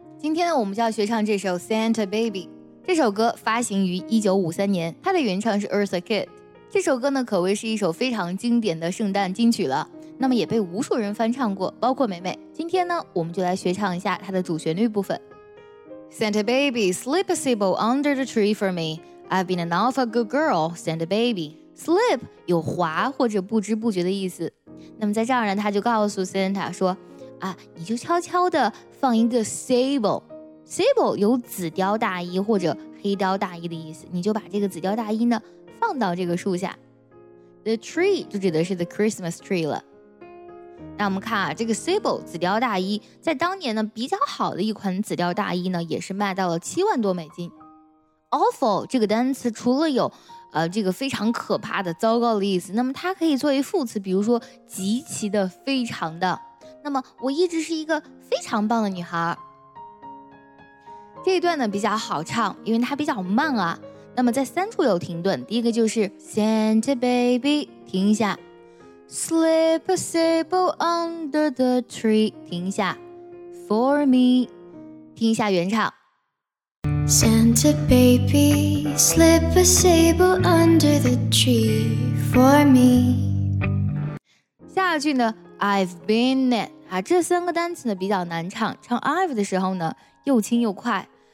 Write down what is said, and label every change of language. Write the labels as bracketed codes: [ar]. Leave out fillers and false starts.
[zh] 今天呢，我们就要学唱这首 Santa Baby。这首歌发行于1953年，它的原唱是 Eartha Kitt。这首歌呢可谓是一首非常经典的圣诞金曲了，那么也被无数人翻唱过，包括美美。今天呢，我们就来学唱一下它的主旋律部分。 [en] Santa baby, slip a sable under the tree for me. I've been an awful good girl, Santa baby. [zh] Slip 有滑或者不知不觉的意思。那么在这儿呢，他就告诉 Santa 说，啊，你就悄悄地放一个 sable。 Sable 有紫貂大衣或者黑貂大衣的意思，你就把这个紫貂大衣呢放到这个树下。 The tree 就指的是 the Christmas tree 了。那我们看啊，这个 Sable 紫貂大衣在当年呢比较好的一款紫貂大衣呢也是卖到了70000多美金。 Awful 这个单词除了有这个非常可怕的糟糕的意思，那么它可以作为副词，比如说极其的非常的，那么我一直是一个非常棒的女孩。这一段呢比较好唱，因为它比较慢啊，那么在三处有停顿，第一个就是 Santa baby 停一下， [en] Slip a sable under the tree, [zh] 停一下 for me, 听一下原唱。 [en] Santa baby, slip a sable under the tree for me. [zh] 下一句呢 [en] I've been it, [zh] 啊，这三个单词呢比较难唱，唱 I've 的时候呢又轻又快。